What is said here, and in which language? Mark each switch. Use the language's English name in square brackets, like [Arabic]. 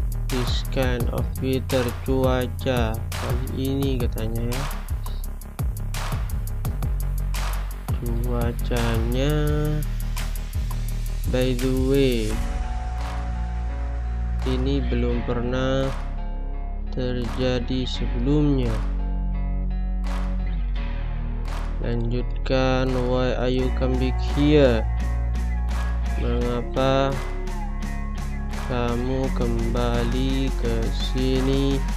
[English] This kind of weather, [Indonesian] cuaca kali ini katanya ya, cuacanya. [English] By the way, [Indonesian] ini belum pernah terjadi sebelumnya. Lanjutkan. [English] Why are you come back here? [Indonesian] Mengapa kamu kembali ke sini?